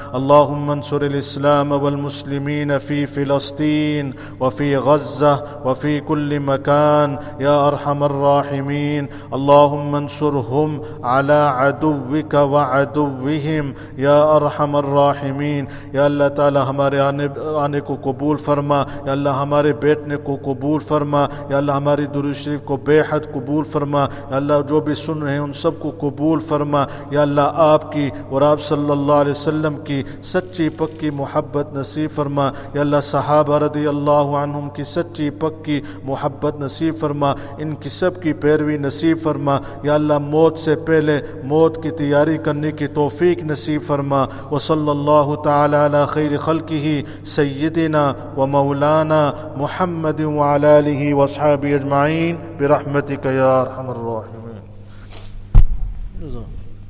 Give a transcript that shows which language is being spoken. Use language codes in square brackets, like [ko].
[ar] اللهم انصر الإسلام والمسلمين في فلسطين وفي غزة وفي كل مكان يا أرحم الراحمين. اللهم انصرهم على عدوك وعدوهم يا أرحم الراحمين. [ur] يا الله تعالى ہمارے آنے کو قبول فرما. يا الله ہمارے بیٹھنے کو قبول فرما. يا الله ہماری درود شریف کو بے حد قبول فرما. يا الله جو بھی سن رہے ہیں ان سب کو قبول فرما. يا الله آپ کی اور آپ صلی اللہ علیہ وسلم کی سچی پکی محبت نصیب فرما. يا الله صحابہ رضی اللہ عنہم کی سچی پکی محبت نصیب فرما. ان کی سب کی پیروی نصیب فرما. يا الله موت سے پہلے موت کی تیاری کرنے کی توفیق نصیب فرما. [ar] وصلى الله تعالى على خير خلقه سيدنا ومولانا محمد وعلى آله وصحابه أجمعين برحمتك يا أرحم الراحمين.